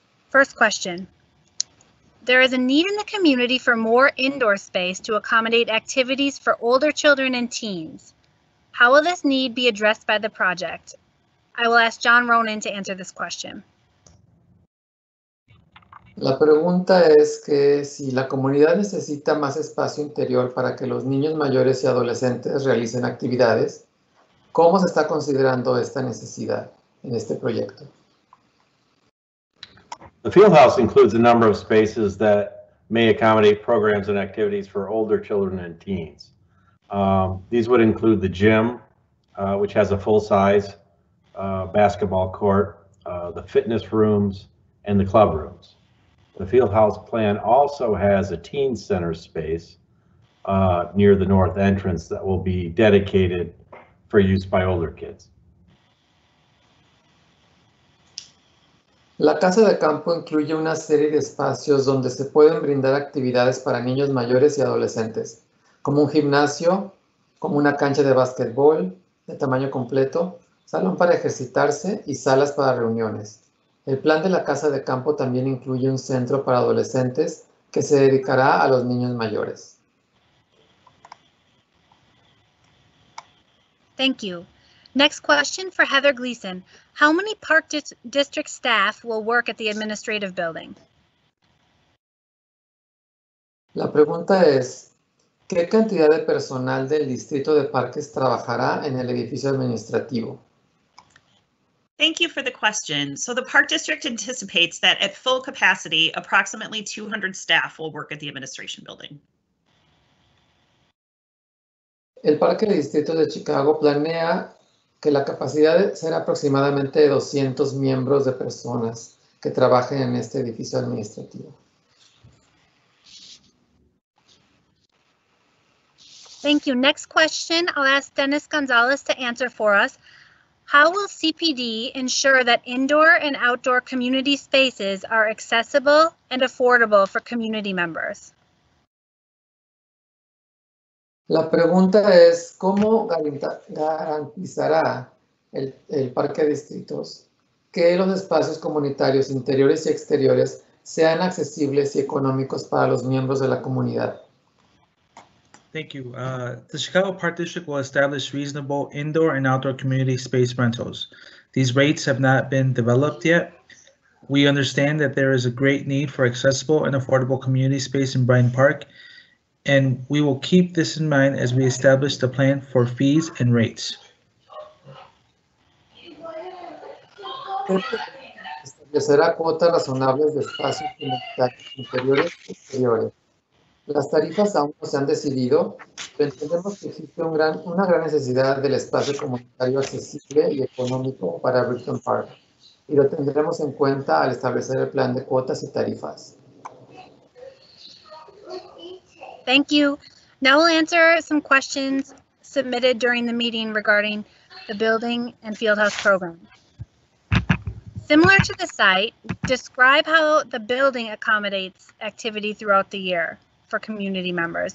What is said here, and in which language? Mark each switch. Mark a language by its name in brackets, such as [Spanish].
[English] First question. There is a need in the community for more indoor space to accommodate activities for older children and teens. How will this need be addressed by the project? I will ask John Ronan to answer this question. [Spanish] La pregunta es que si la comunidad necesita más espacio interior para que los niños mayores y adolescentes realicen actividades, ¿cómo se está considerando esta necesidad en este proyecto? [English] The fieldhouse includes a number of spaces that may accommodate programs and activities for older children and teens. These would include the gym, which has a full-size basketball court, the fitness rooms, and the club rooms. The fieldhouse plan also has a teen center space near the north entrance that will be dedicated for use by older kids. [Spanish] La casa de campo incluye una serie de espacios donde se pueden brindar actividades para niños mayores y adolescentes, como un gimnasio, como una cancha de básquetbol de tamaño completo, salón para ejercitarse y salas para reuniones. El plan de la casa de campo también incluye un centro para adolescentes que se dedicará a los niños mayores. [English] Thank you. Next question for Heather Gleason. How many park district staff will work at the administrative building? [Spanish] La pregunta es, ¿qué cantidad de personal del Distrito de Parques trabajará en el edificio administrativo? [English] Thank you for the question. So the park district anticipates that at full capacity, approximately 200 staff will work at the administration building. [Spanish] El Parque del Distrito de Chicago planea que la capacidad será aproximadamente de 200 miembros de personas que trabajen en este edificio administrativo. [English] Thank you. Next question, I'll ask Dennis Gonzalez to answer for us. How will CPD ensure that indoor and outdoor community spaces are accessible and affordable for community members? [Spanish] La pregunta es, ¿cómo garantizará el parque de distritos que los espacios comunitarios interiores y exteriores sean accesibles y económicos para los miembros de la comunidad? [English] Thank you. The Chicago Park District will establish reasonable indoor and outdoor community space rentals. These rates have not been developed yet. We understand that there is a great need for accessible and affordable community space in Bryan Park, and we will keep this in mind as we establish the plan for fees and rates. [Spanish] Establecerá cuotas razonables de espacios comunitarios interiores y exteriores. Las tarifas aún no se han decidido, pero entendemos que existe una gran necesidad del espacio comunitario accesible y económico para Brickton Park, y lo tendremos en cuenta al establecer el plan de cuotas y tarifas. [English] Thank you. Now we'll answer some questions submitted during the meeting regarding the building and fieldhouse program. Similar to the site, describe how the building accommodates activity throughout the year for community members.